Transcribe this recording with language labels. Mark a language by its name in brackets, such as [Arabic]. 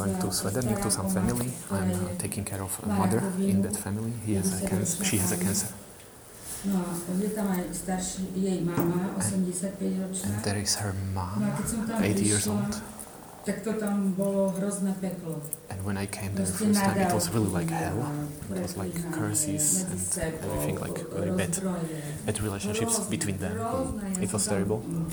[English] So I'm going to svedelník, to some family. I'm taking care of a mother in that family. She has a cancer. [Slovak] No a je tam aj starší, jej mama, 85-ročná. [English] And there is her mom, 80 years old. [Slovak] Tak to tam bolo hrozné peklo. [English] And when I came there first time, it was really like hell. It was like curses and everything, like very bad relationships between them. It was terrible.